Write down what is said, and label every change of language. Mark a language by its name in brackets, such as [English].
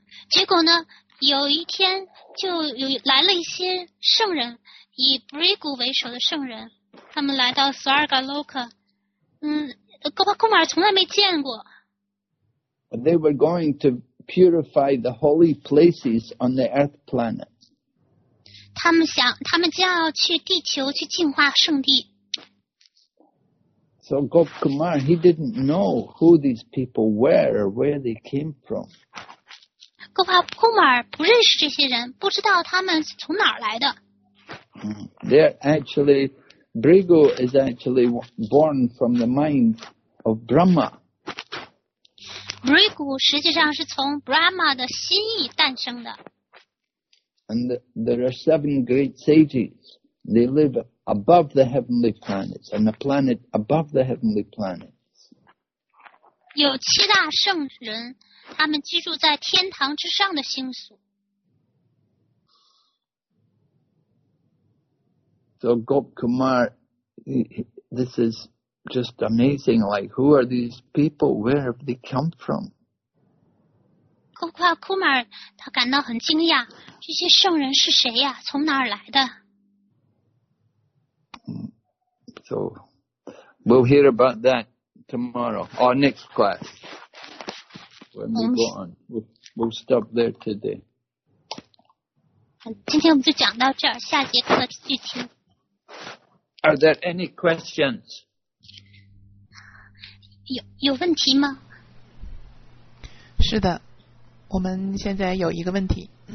[Chinese] 结果呢，有一天就有来了一些圣人，以 Bhrigu 为首的圣人，他们来到 Swargaloka。 Gopal Kumar 从来没见过。 [English] They were going to purify the holy places on the earth planet. [Chinese] 他们将要去地球去净化圣地。 [English] So Gopal Kumar, he didn't know who these people were or where they came from. [Chinese] Gopal Kumar 不认识这些人，不知道他们是从哪儿来的。 [English] They're actually, Bhrigu is actually born from the mind of Brahma. [Chinese] Bhrigu 实际上是从 Brahma 的心意诞生的。 [English] And there are seven great sages. They live above the heavenly planets, and a planet above the heavenly planets. [Chinese] 有七大圣人，他们居住在天堂之上的星宿。 [English] So Gop Kumar, this is... Just amazing, like, who are these people? Where have they come from? [Chinese] Gopal Kumar, 他感到很惊讶，这些圣人是谁呀？从哪儿来的？ [English] So, we'll hear about that tomorrow, or next class. When we go on, we'll stop there today. [Chinese] 今天我们就讲到这儿，下节课继续。 [English] Are there any questions? [Chinese] 有问题吗？是的，我们现在有一个问题。